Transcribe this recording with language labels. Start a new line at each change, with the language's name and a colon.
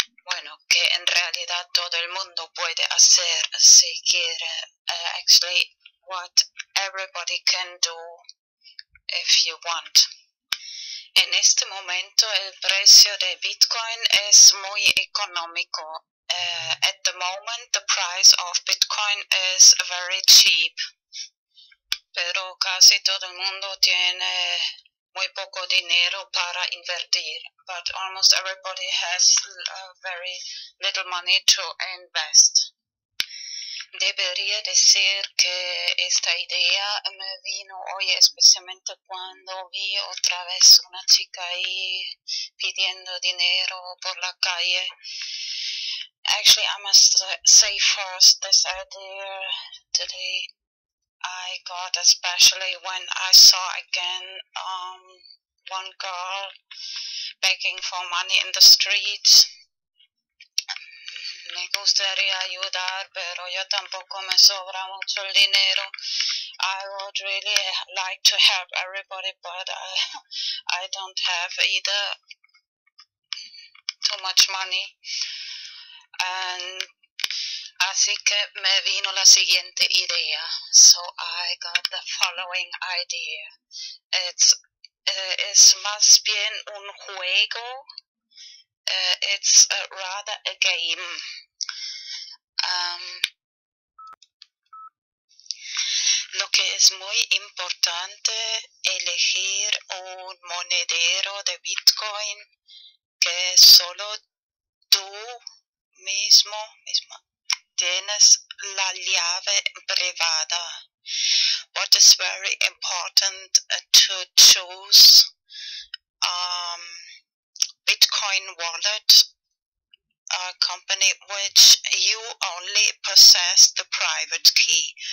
Spanish: Bueno, que en realidad todo el mundo puede hacer si quiere.
English: Actually, what everybody can do if you want.
Spanish: En este momento el precio de Bitcoin es muy económico.
English: At the moment, the price of Bitcoin is very cheap,
Spanish: pero casi todo el mundo tiene muy poco dinero para invertir.
English: But almost everybody has very little money to invest.
Spanish: Debería decir que esta idea me vino hoy, especialmente cuando vi otra vez una chica ahí pidiendo dinero por la calle.
English: Actually, I must say first, this idea today I got, especially when I saw again one girl begging for money in the streets.
Spanish: Me gustaría ayudar, pero yo tampoco me sobra mucho el dinero.
English: I would really like to help everybody, but I don't have either too much money.
Spanish: And así que me vino la siguiente idea.
English: So I got the following idea. It's
Spanish: más bien un juego.
English: It's rather a game.
Spanish: Lo que es muy importante, elegir un monedero de Bitcoin que solo tú mismo tienes la llave privada.
English: What is very important to choose Bitcoin wallet, a company which you only possess the private key.